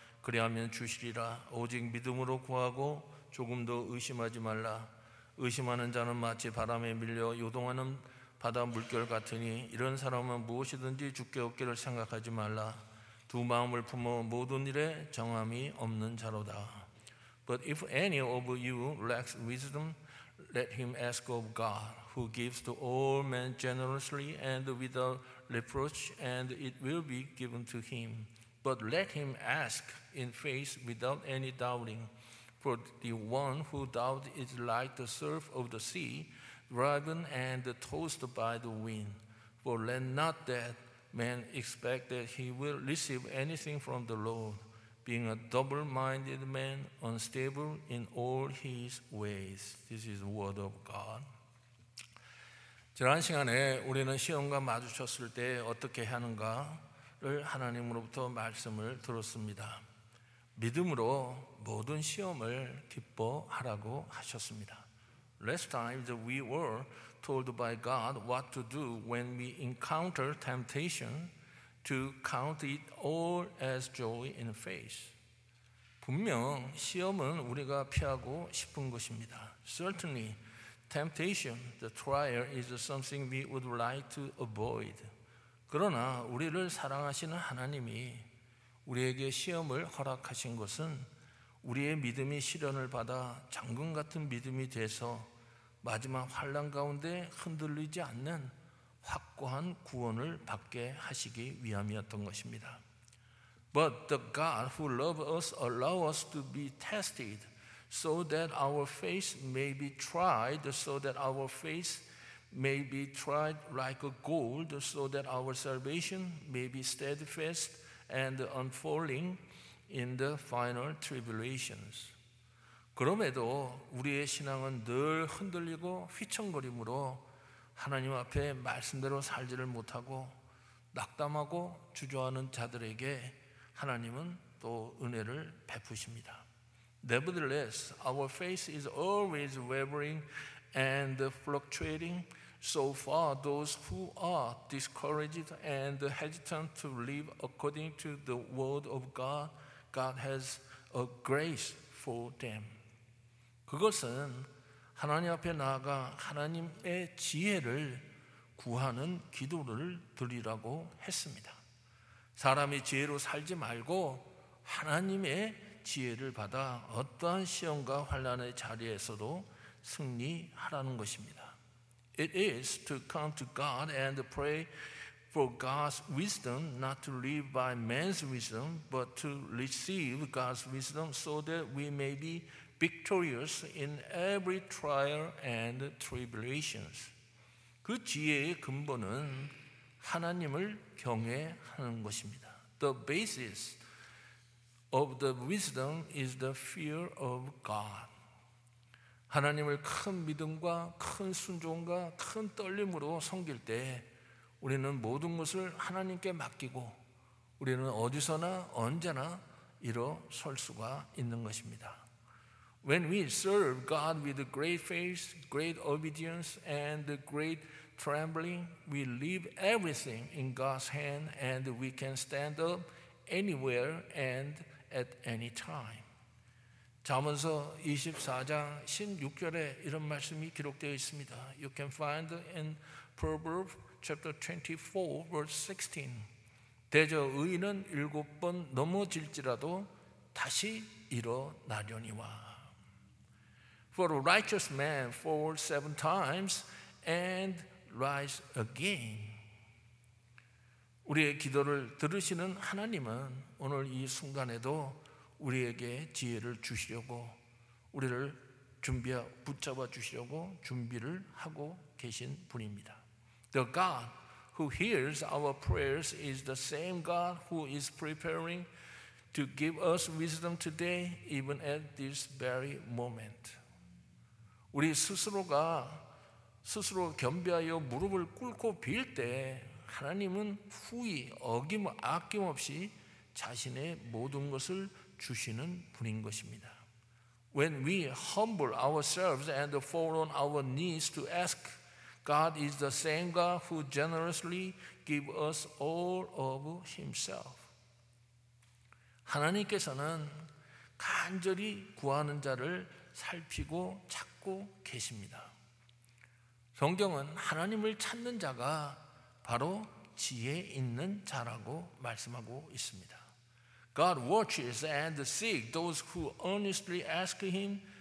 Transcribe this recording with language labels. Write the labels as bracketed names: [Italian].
[Korean] 그리하면 주시리라. 오직 믿음으로 구하고 조금도 의심하지 말라. 의심하는 자는 마치 바람에 밀려 요동하는 바다 물결 같으니 이런 사람은 무엇이든지 죽게 없기를 생각하지 말라. 두 마음을 품어 모든 일에 정함이 없는 자로다. [English] But if any of you lacks wisdom, let him ask of God, who gives to all men generously and without reproach, and it will be given to him. But let him ask in faith without any doubting, for the one who doubts is like the surf of the sea, driven and tossed by the wind. For let not that man expect that he will receive anything from the Lord, being a double-minded man, unstable in all his ways. This is the word of God. [Korean] 지난 시간에 우리는 시험과 마주쳤을 때 어떻게 하는가를 하나님으로부터 말씀을 들었습니다. 믿음으로 모든 시험을 기뻐하라고 하셨습니다. [English] Last time that we were told by God what to do when we encounter temptation to count it all as joy in faith. [Korean] 분명 시험은 우리가 피하고 싶은 것입니다. [English] Certainly, temptation, the trial, is something we would like to avoid. [Korean] 그러나 우리를 사랑하시는 하나님이 우리에게 시험을 허락하신 것은 우리의 믿음이 시련을 받아 장군 같은 믿음이 돼서 마지막 환난 가운데 흔들리지 않는 확고한 구원을 받게 하시기 위함이었던 것입니다. [English] But the God who loves us allows us to be tested so that our faith may be tried, so that our faith may be tried like a gold, so that our salvation may be steadfast and unfolding in the final tribulations. [Korean] 그럼에도 우리의 신앙은 늘 흔들리고 휘청거림으로 하나님 앞에 말씀대로 살지를 못하고 낙담하고 주저하는 자들에게 하나님은 또 은혜를 베푸십니다. [English] Nevertheless, our faith is always wavering and fluctuating. So far, those who are discouraged and hesitant to live according to the word of God, God has a grace for them. [Korean] 그것은 하나님 앞에 나아가 하나님의 지혜를 구하는 기도를 드리라고 했습니다. 사람이 지혜로 살지 말고 하나님의 지혜를 받아 어떠한 시험과 환난의 자리에서도 승리하라는 것입니다. [English] It is to come to God and pray for God's wisdom, not to live by man's wisdom, but to receive God's wisdom so that we may be victorious in every trial and tribulations. [Korean] 그 지혜의 근본은 하나님을 경외하는 것입니다. [English] The basis of the wisdom is the fear of God. [Korean] 하나님을 큰 믿음과 큰 순종과 큰 떨림으로 섬길 때 우리는 모든 것을 하나님께 맡기고 우리는 어디서나 언제나 일어설 수가 있는 것입니다. [English] When we serve God with great faith, great obedience, and great trembling, we leave everything in God's hand and we can stand up anywhere and at any time. [Korean] 잠언서 24장 16절에 이런 말씀이 기록되어 있습니다. [English] You can find in Proverbs chapter 24, verse 16. [Korean] 대저 의인은 일곱 번 넘어질지라도 다시 일어나려니와. [English] For a righteous man falls seven times and rises again. [Korean] 우리의 기도를 들으시는 하나님은 오늘 이 순간에도 우리에게 지혜를 주시려고 우리를 붙잡아 주시려고 준비를 하고 계신 분입니다. [English] The God who hears our prayers is the same God who is preparing to give us wisdom today, even at this very moment. [Korean] 우리 스스로가 스스로 겸비하여 무릎을 꿇고 빌 때 하나님은 후히 아낌없이 자신의 모든 것을 주시는 분인 것입니다. [English] When we humble ourselves and fall on our knees to ask, God is the same God who generously give us all of himself. [Korean] 하나님께서는 간절히 구하는 자를 살피고 찾고 계십니다. 성경은 하나님을 찾는 자가 바로 지혜 있는 자라고 말씀하고 있습니다. [English] God watches and seeks those who earnestly ask him.